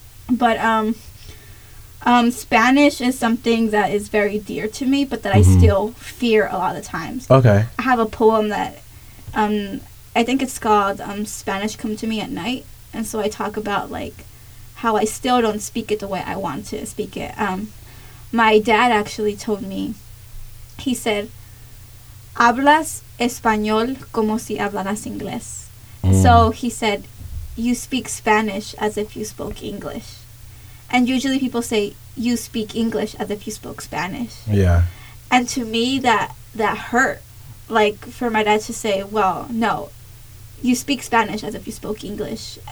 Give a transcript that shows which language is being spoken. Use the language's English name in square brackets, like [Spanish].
[English] But Spanish is something that is very dear to me, but that I still fear a lot of times. Okay. I have a poem that I think it's called Spanish Come to Me at Night. And so I talk about, like, how I still don't speak it the way I want to speak it. My dad actually told me, he said, [Spanish] hablas español como si hablaras inglés. [English] So he said, you speak Spanish as if you spoke English. And usually people say, you speak English as if you spoke Spanish. Yeah. And to me, that hurt. Like, for my dad to say, well, no, you speak Spanish as if you spoke English.